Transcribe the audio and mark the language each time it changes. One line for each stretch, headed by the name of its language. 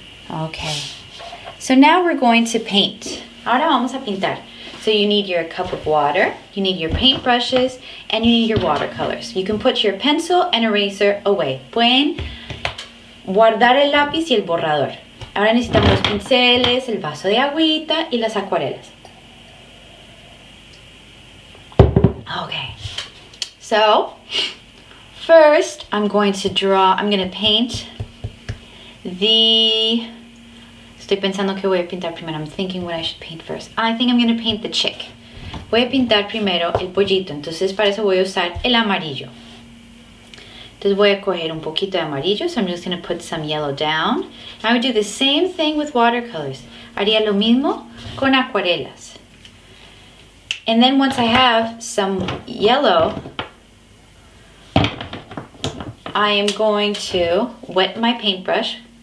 English: Okay. So now we're going to paint.
Spanish: Ahora vamos a pintar.
English: So you need your cup of water, you need your paintbrushes, and you need your watercolors. You can put your pencil and eraser away.
Spanish: Pueden guardar el lápiz y el borrador. Ahora necesitamos los pinceles, el vaso de agüita y las acuarelas.
English: Okay. So, first I'm going to paint the...
Spanish: Estoy pensando que voy a pintar primero.
English: I'm thinking what I should paint first. I think I'm going to paint the chick.
Spanish: Voy a pintar primero el pollito. Entonces, para eso voy a usar el amarillo. Entonces, voy a coger un poquito de amarillo.
English: So, I'm just going to put some yellow down. I would do the same thing with watercolors.
Spanish: Haría lo mismo con acuarelas.
English: And then, once I have some yellow, I am going to wet my paintbrush.